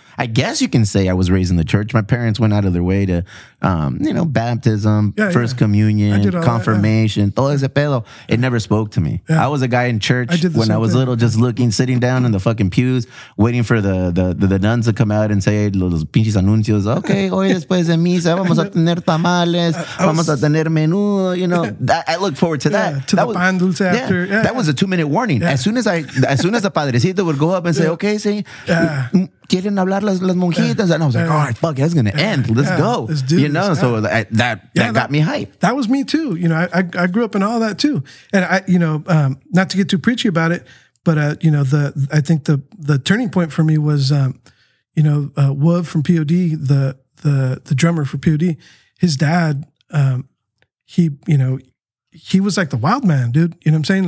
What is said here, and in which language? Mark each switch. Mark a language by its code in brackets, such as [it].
[en] I guess you can say I was raised in the church. My parents went out of their way to, you know, baptism, first communion, confirmation, [es] todo ese pedo. [en] It never spoke to me. Yeah. I was a guy in church when I was little, just looking, sitting down in the fucking pews, waiting for the nuns to come out and say [es] los pinches anuncios. Okay, hoy después de misa vamos a tener tamales, vamos a tener menú. [en] You know, that, I look forward to that. To that the pan dulce after. Yeah, that was a 2-minute warning. Yeah. As soon as the padrecito would go up and say, okay, see. [es] Quieren hablar las monjitas. [en] And I was like, all right, fuck, that's going to end. Let's go. Let's do it. You know, so that got me hyped. That was me too. You know, I grew up in all that too. And I, you know, not to get too preachy about it, but, you know, I think the turning point for me was, you know, Wub from POD, the drummer for POD, his dad, he was like the wild man, dude. You know what I'm saying?